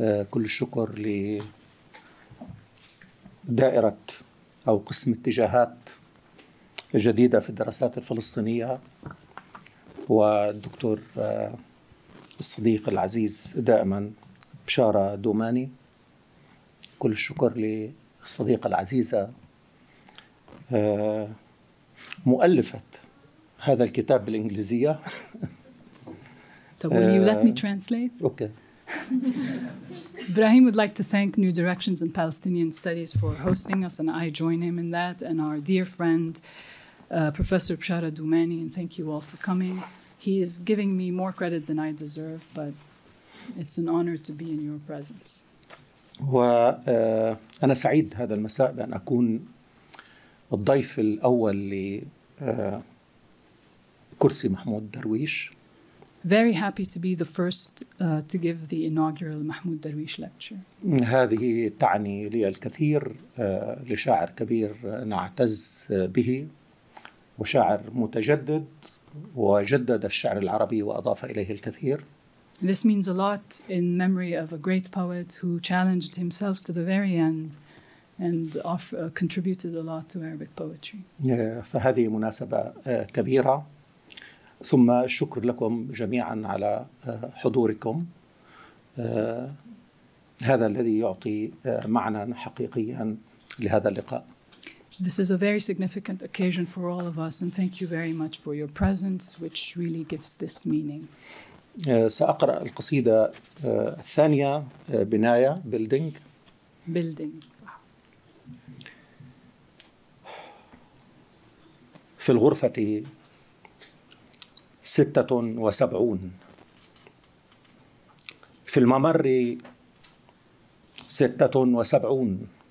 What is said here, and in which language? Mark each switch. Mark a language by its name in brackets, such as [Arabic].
[Arabic] كل الشكر لدائرة أو قسم اتجاهات جديدة في الدراسات الفلسطينية والدكتور الصديق العزيز دائما بشارة دوماني. كل الشكر للصديقة العزيزة مؤلفة هذا الكتاب بالإنجليزية. طب [English] will you let me translate? Okay. Ibrahim would like to thank New Directions in Palestinian Studies for hosting us, and I join him in that, and our dear friend, Professor Bshara Doumani, and thank you all for coming. He is giving me more credit than I deserve, but it's an honor to be in your presence. [Arabic] وأنا سعيد هذا المساء بأن أكون الضيف الأول لكرسي محمود درويش. [English] Very happy to be the first to give the inaugural Mahmoud Darwish Lecture. [Arabic] هذه تعني لي الكثير لشاعر كبير نعتز به وشاعر متجدد وجدد الشعر العربي وأضاف إليه الكثير. [English] This means a lot in memory of a great poet who challenged himself to the very end and contributed a lot to Arabic poetry. [Arabic] فهذه مناسبة كبيرة. ثم شكر لكم جميعا على حضوركم هذا الذي يعطي معنى حقيقيا لهذا اللقاء. [English] This is a very significant occasion for all of us, and thank you very much for your presence, which really gives this meaning. [Arabic] سأقرأ القصيدة الثانية بناية building. [English] Building. [Arabic] في الغرفة 76 في الممر 76